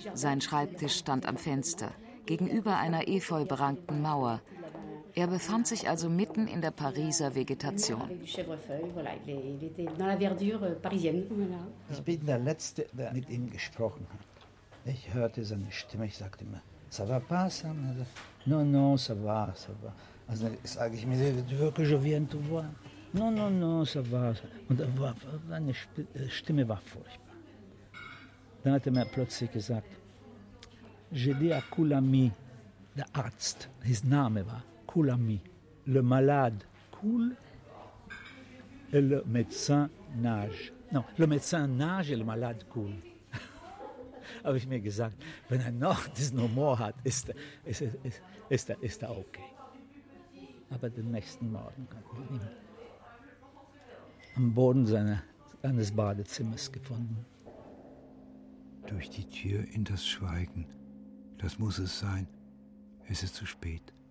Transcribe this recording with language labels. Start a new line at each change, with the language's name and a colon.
German: Sein Schreibtisch stand am Fenster, gegenüber einer efeuberankten Mauer. Er befand sich also mitten in der Pariser Vegetation. Ich bin der Letzte, der mit ihm gesprochen hat. Ich hörte seine Stimme, ich sagte immer,
French: ça va pas, ça? Non, non, ça va, ça va.
German: Also sage ich mir,
French: tu veux que je vienne te voir? Non, non, non, ça va.
German: Und seine Stimme war furchtbar. Dann hat er mir plötzlich gesagt,
French: J'ai dit à Koulami,
German: der Arzt,
English: his name
French: war Koulami, le malade cool et le médecin nage. Non, le médecin nage et le malade cool.
German: Habe ich mir gesagt, wenn er noch diesen Humor hat, ist er okay. Aber den nächsten Morgen hat man ihn am Boden seines Badezimmers gefunden. Durch die Tür in das Schweigen. Das muss es sein. Es ist zu spät.